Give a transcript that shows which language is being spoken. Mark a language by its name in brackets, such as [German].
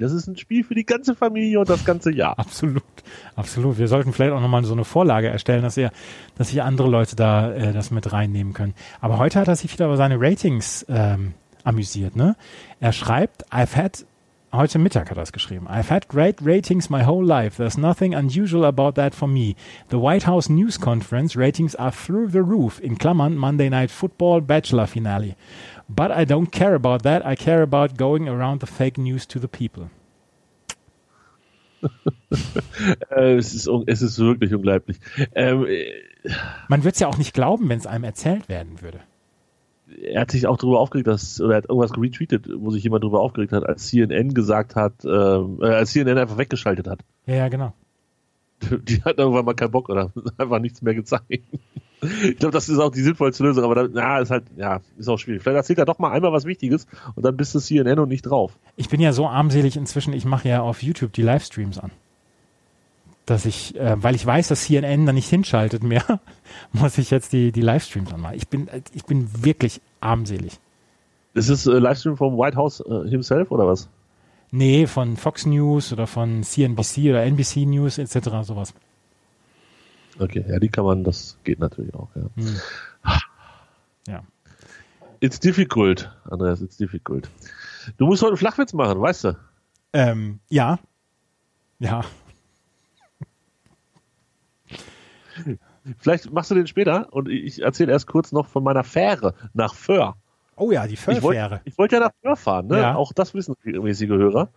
[German] Das ist ein Spiel für die ganze Familie und das ganze Jahr. Absolut, absolut. Wir sollten vielleicht auch nochmal so eine Vorlage erstellen, dass sich andere Leute da das mit reinnehmen können. Aber heute hat er sich wieder über seine Ratings amüsiert. Ne? Er schreibt, heute Mittag hat er es geschrieben. [English] I've had great ratings my whole life. There's nothing unusual about that for me. The White House News Conference ratings are through the roof, [German] in Klammern, [English] Monday Night Football Bachelor Finale. But I don't care about that. I care about going around the fake news to the people. [German] es ist wirklich unglaublich. Man würde es ja auch nicht glauben, wenn es einem erzählt werden würde. er hat sich auch darüber aufgeregt, dass, oder er hat irgendwas retweetet, wo sich jemand darüber aufgeregt hat, als CNN gesagt hat, als CNN einfach weggeschaltet hat. Ja, ja, genau. Die hat irgendwann mal keinen Bock oder einfach nichts mehr gezeigt. Ich glaube, das ist auch die sinnvollste Lösung, aber dann, na, ist halt, ja, ist auch schwierig. Vielleicht erzählt er doch mal einmal was Wichtiges und dann bist du CNN und nicht drauf. Ich bin ja so armselig inzwischen, ich mache ja auf YouTube die Livestreams an. Dass ich, weil ich weiß, dass CNN da nicht hinschaltet mehr, muss ich jetzt die Livestreams anmachen. Ich bin wirklich armselig. Das ist Livestream vom White House himself oder was? Nee, von Fox News oder von CNBC oder NBC News etc. sowas. Okay, ja, die kann man, das geht natürlich auch, ja. Ja. [English] It's difficult, Andreas, it's difficult. [German] Du musst heute einen Flachwitz machen, weißt du? Ja. Ja. Vielleicht machst du den später und ich erzähle erst kurz noch von meiner Fähre nach Föhr. Oh ja, die Föhr-Fähre. Ich wollte ja nach Föhr fahren, ne? Ja. Auch das wissen regelmäßige Hörer.